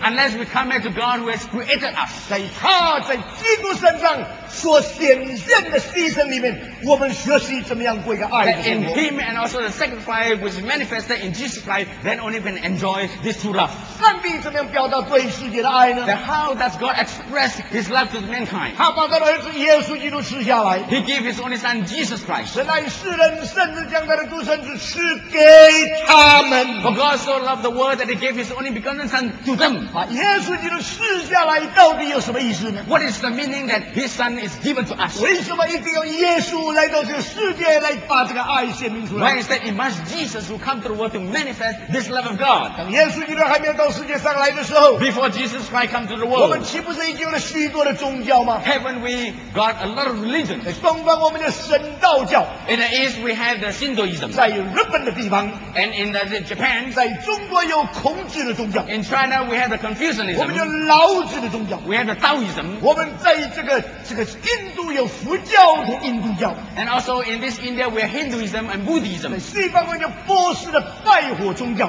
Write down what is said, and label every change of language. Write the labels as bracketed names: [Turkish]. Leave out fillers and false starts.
[English] unless we come back to God who has created. [Chinese] 在他在基督身上所显现的牺牲里面，我们学习怎么样过一个爱的生活。 [English] That in him and also the sacrifice which is manifested in Jesus Christ, then only can enjoy this true love. [Chinese] 上帝怎么样表达对世界的爱呢？ [English] Then how does God express his love to mankind? [Chinese] 他把他的儿子耶稣基督赐下来。 [English] He gave his only son Jesus Christ. [Chinese] 神爱世人，甚至将他的独生子赐给他们。 [English] For God so loved the world that he gave his only begotten son to them. [Chinese] 把耶稣基督赐下来到底有什么意思呢？ [English] What is the meaning that his son is given to us. [Chinese] 为什么一定要耶稣来到这个世界来把这个爱显明出来？ [English] Why is that? It must Jesus who come to the world to manifest this love of God. [Chinese] 当耶稣基督还没有到世界上来的时候， [English] Before Jesus Christ come to the world, [Chinese] 我们岂不是已经有了许多的宗教吗？ [English] Haven't we got a lot of religions? [Chinese] 在东方我们的神道教， [English] In the East we have the Shintoism. [Chinese] 在日本的地方， [English] And in the Japan, [Chinese] 在中国有孔子的宗教， [English] In China we have the Confucianism. [Chinese] 我们有老子的宗教， [English] We have the Taoism. [Chinese] 我们在这个印度有佛教和印度教， [English] and also in this India we have Hinduism and Buddhism. [Chinese] 西方有波斯的拜火宗教，